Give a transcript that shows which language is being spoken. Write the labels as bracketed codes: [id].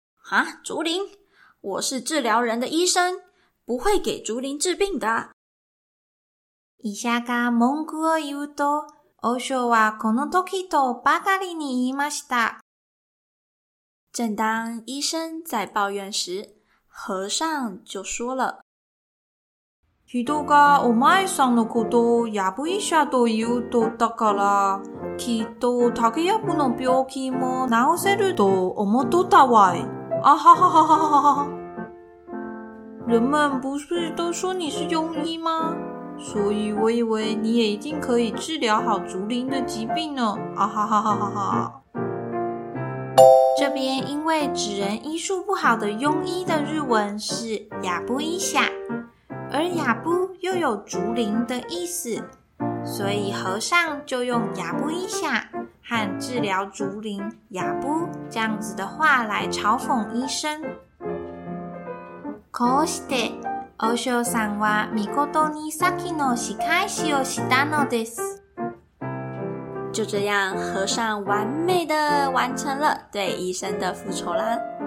[zh] 啊，竹林？我是治疗人的医生，不会给竹林治病的。 [ja] 医者が文句を言うと、和尚はこの時とばかりに言いました。 [zh] 正当医生在抱怨时，和尚就说了： [ja] 人がお前さんのことやぶ医者と言うとだからきっと竹やぶの病気も治せると思っとったわい。あはははははは。 [zh] 人们不是都说你是庸医吗？所以我以为你也一定可以治疗好竹林的疾病呢。啊哈哈哈哈哈。这边因为指人医术不好的庸医的日文是亚布医下，而亚布又有竹林的意思，所以和尚就用亚布医下和治疗竹林亚布这样子的话来嘲讽医生。 [ja] こうして和尚さんは見事に先の仕返しをしたのです。 [zh] 就这样，和尚完美的完成了对医生的复仇啦。